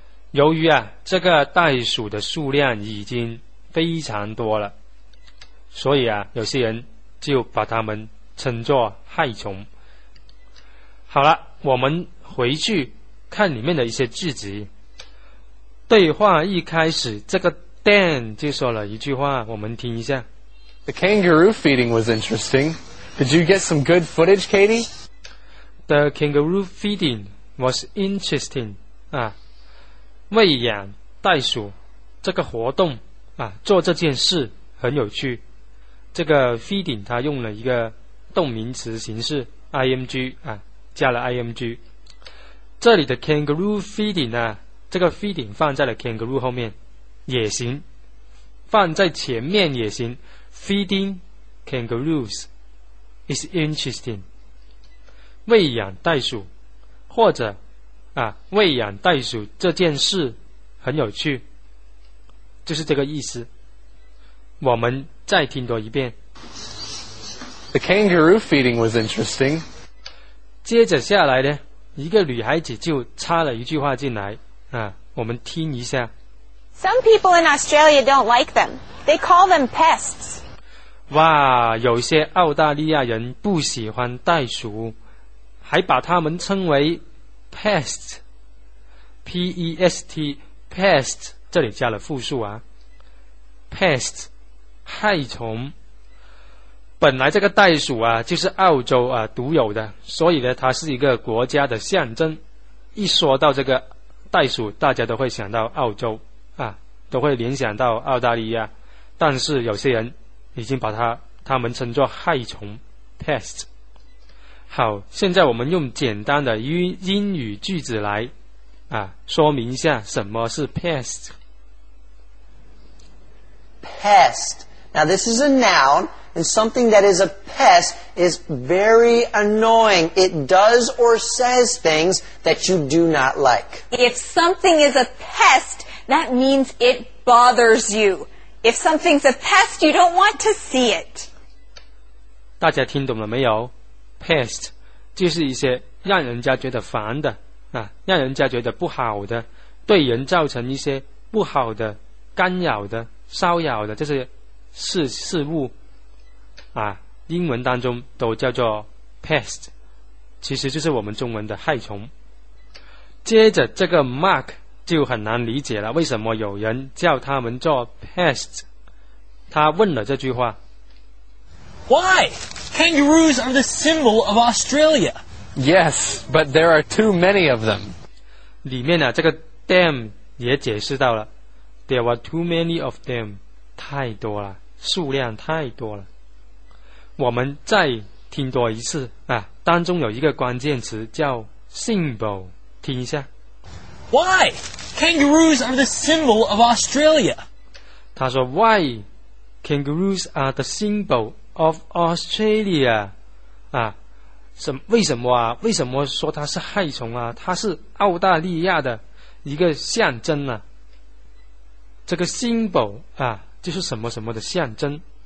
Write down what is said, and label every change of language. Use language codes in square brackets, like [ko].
[zh] 由于啊，这个袋鼠的数量已经非常多了，所以啊，有些人。就把他们称作害虫。好了，我们回去看里面的一些句子。对话一开始，这个 Dan 就说了一句话，我们听一下。 [en] The kangaroo feeding was interesting. Did you get some good footage, Katie? The kangaroo feeding was interesting. [zh] 啊，喂养袋鼠这个活动啊，做这件事很有趣。这个 feeding 它用了一个动名词形式 ing 啊，加了 ing。这里的 kangaroo feeding 啊，这个 feeding 放在了 kangaroo 后面也行，放在前面也行。 [en] Feeding kangaroos is interesting。 [zh] 喂养袋鼠，或者啊，喂养袋鼠这件事很有趣，就是这个意思。我们再听多一遍。 [en] The kangaroo feeding was interesting. [zh] 接着下来呢，一个女孩子就插了一句话进来啊，我们听一下。 [en] Some people in Australia don't like them. They call them pests. [zh] 哇，有些澳大利亚人不喜欢袋鼠，还把他们称为 pests. [en] P-E-S-T, pests. [zh] 这里加了复数啊 ，pests. 害虫，本来这个袋鼠啊就是澳洲啊独有的，所以呢它是一个国家的象征。一说到这个袋鼠，大家都会想到澳洲啊，都会联想到澳大利亚。但是有些人已经把它们称作害虫 pest。好，现在我们用简单的英语句子来说明一下什么是 pest。 [en] Pest. Now this is a noun, and something that is a pest is very annoying. It does or says things that you do not like. If something is a pest, that means it bothers you. If something's a pest, you don't want to see it. [zh] 大家听懂了没有？ Pest 就是一些让人家觉得烦的啊，让人家觉得不好的，对人造成一些不好的、干扰的、骚扰的这些事物啊，英文当中都叫做 pest， 其实就是我们中文的害虫。接着这个 Mark 就很难理解了，为什么有人叫他们做 pest？他问了这句话 [en] ：Why？ Kangaroos are the symbol of Australia. Yes, but there are too many of them. [zh] 里面呢、啊，这个 them 也解释到了 ， [en] there are too many of them， [zh] 太多了，数量太多了。我们再听多一次啊，当中有一个关键词叫 symbol， 听一下。 Why? Kangaroos are the symbol of Australia. 他说 [en] ，Why? Kangaroos are the symbol. Of Australia [zh] 啊，为什么说它是害虫啊？它是澳大利亚的一个象征啊，这个 symbol 啊，就是什么什么的象征。